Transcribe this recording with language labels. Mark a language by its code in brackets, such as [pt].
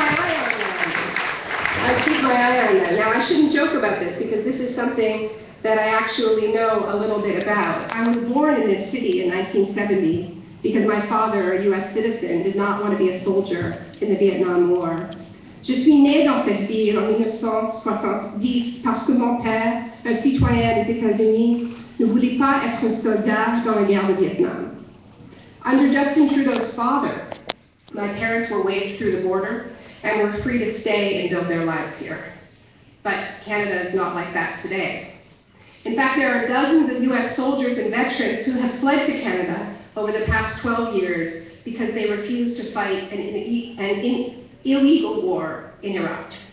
[en] I keep my eye on that. Now, I shouldn't joke about this, because this is something that I actually know a little bit about. I was born in this city in 1970 because my father, a US citizen, did not want to be a soldier in the Vietnam War. [fr] Je suis née dans cette ville en 1970 parce que mon père, un citoyen des États-Unis, ne voulait pas être un soldat dans la guerre de Vietnam. [en] Under Justin Trudeau's father, my parents were waved through the border and were free to stay and build their lives here. But Canada is not like that today. In fact, there are dozens of US soldiers and veterans who have fled to Canada over the past 12 years because they refused to fight an illegal war in Iraq.